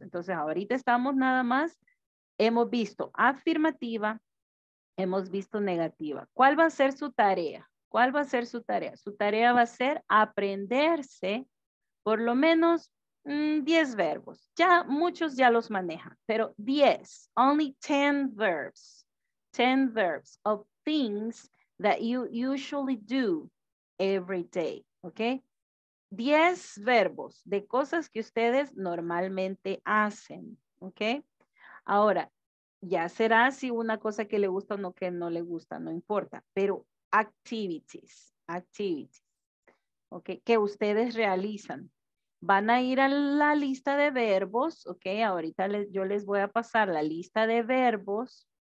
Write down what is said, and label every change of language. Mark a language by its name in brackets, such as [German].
[Spanish] Entonces, ahorita estamos nada más, hemos visto afirmativa, hemos visto negativa. ¿Cuál va a ser su tarea? ¿Cuál va a ser su tarea? Su tarea va a ser aprenderse por lo menos 10 verbos. Ya muchos ya los manejan, pero 10, [English] only 10 verbs. 10 verbs of things that you usually do every day, ¿okay? [Spanish] 10 verbos de cosas que ustedes normalmente hacen, ¿okay? Ahora, ya será si una cosa que le gusta o no que no le gusta, no importa, pero activities, ¿okay? Que ustedes realizan. Van a ir a la lista de verbos, ok, ahorita yo les voy a pasar la lista de verbos.